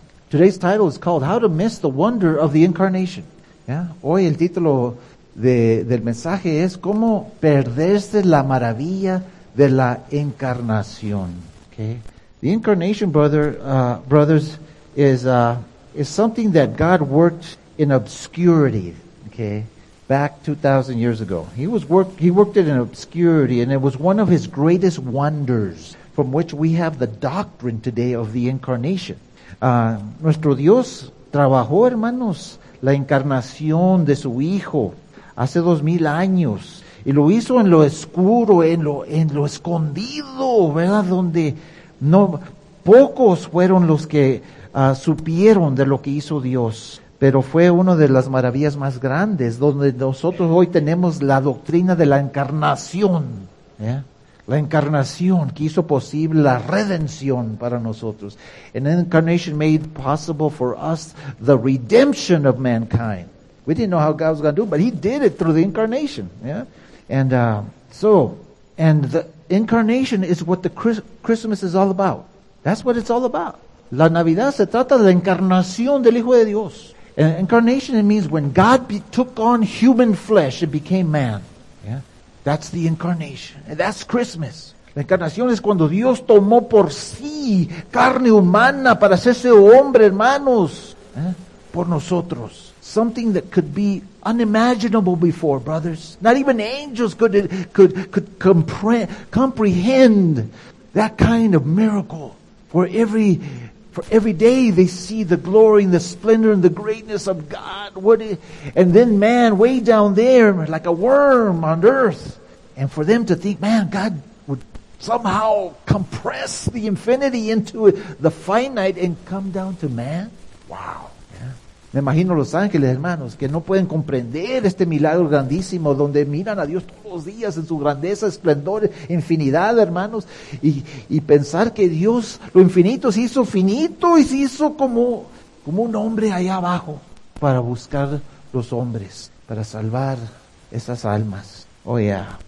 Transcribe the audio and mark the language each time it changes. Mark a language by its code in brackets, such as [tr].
[en] Today's title is called How to Miss the Wonder of the Incarnation. Yeah? [es] Hoy el título del mensaje es cómo perderse la maravilla de la encarnación. Okay? [en] The incarnation, brothers, is something that God worked in obscurity. Okay? Back 2,000 years ago, he worked it in obscurity, and it was one of his greatest wonders, from which we have the doctrine today of the incarnation. [es] Nuestro Dios trabajó, hermanos, la encarnación de su Hijo hace 2,000 años, y lo hizo en lo oscuro, en lo escondido, ¿verdad? Donde no pocos fueron los que supieron de lo que hizo Dios, pero fue una de las maravillas más grandes, donde nosotros hoy tenemos la doctrina de la encarnación, ¿eh? La encarnación que hizo posible la redención para nosotros. [en] An incarnation made possible for us the redemption of mankind. We didn't know how God was going to do it, but he did it through the incarnation. Yeah, And the incarnation is what the Christmas is all about. That's what it's all about. [es] La Navidad se trata de la encarnación del Hijo de Dios. [en] And incarnation, it means when God took on human flesh and became man. That's the incarnation. And that's Christmas. [es] La encarnación es cuando Dios tomó por sí carne humana para hacerse hombre, hermanos, por nosotros. [en] Something that could be unimaginable before, brothers. Not even angels could comprehend that kind of miracle. For every day they see the glory and the splendor and the greatness of God. And then man way down there like a worm on earth. And for them to think, man, God would somehow compress the infinity into the finite and come down to man. Wow. [es] Me imagino los ángeles, hermanos, que no pueden comprender este milagro grandísimo donde miran a Dios todos los días en su grandeza, esplendor, infinidad, hermanos, y pensar que Dios, lo infinito, se hizo finito y se hizo como un hombre allá abajo para buscar los hombres, para salvar esas almas. Oh, yeah.